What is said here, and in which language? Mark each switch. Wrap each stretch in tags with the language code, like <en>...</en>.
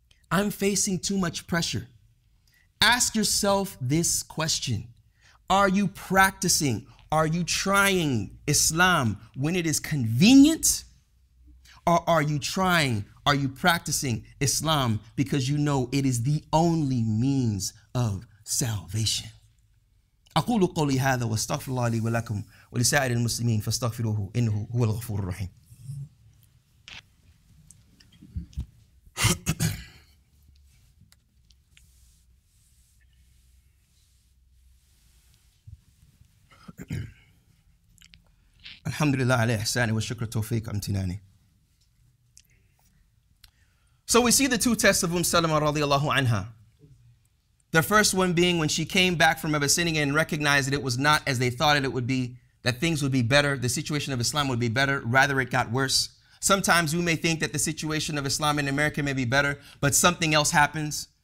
<en>I'm facing too much pressure. Ask yourself this question. Are you practicing? Are you trying Islam when it is convenient? Or are you trying? Are you practicing Islam because you know it is the only means of salvation?</en> <ar>أقول قولي هذا واستغفر الله لي ولكم ولسائر المسلمين فاستغفروه إنه هو الغفور الرحيم. الحمد لله على إحساني والشكر توفيق امتناني.</ar> <en>So we see the two tests of Salama</en> <ar>رضي الله عنها.</ar> <en>The first one being when she came back from Abyssinia and recognized that it was not as they thought it would be, that things would be better, the situation of Islam would be better, rather it got worse. Sometimes we may think that the situation of Islam in America may be better, but something else happens.</en>